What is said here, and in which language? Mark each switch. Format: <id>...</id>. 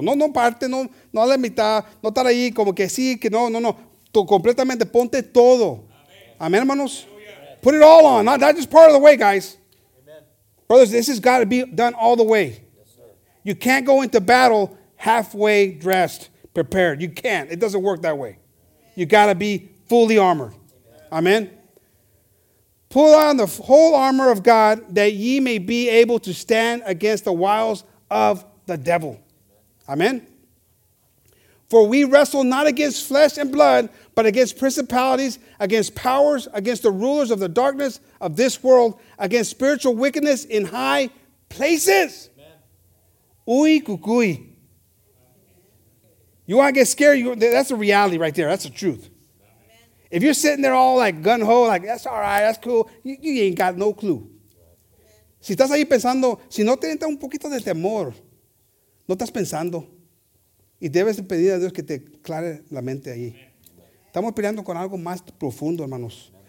<es>No, no parte, no, no a la mitad, no estar ahí como que sí, que no. Completamente ponte todo. Amen.</es> <en>Amen, hermanos. Put it all on. Not just part of the way, guys. Amen. Brothers, this has got to be done all the way. You can't go into battle halfway dressed, prepared. You can't. It doesn't work that way. You got to be fully armored. Amen. Pull on the whole armor of God that ye may be able to stand against the wiles of the devil. Amen. For we wrestle not against flesh and blood, but against principalities, against powers, against the rulers of the darkness of this world, against spiritual wickedness in high places. Uy, cucuy. You want to get scared? That's a reality right there. That's the truth. If you're sitting there all like gung-ho, like, that's all right, that's cool, you ain't got no clue.</en> <es>Si estás ahí pensando, si no tienes un poquito de temor, no estás pensando. Y debes pedir a Dios que te aclare la mente ahí. Estamos peleando con algo más profundo, hermanos.</es>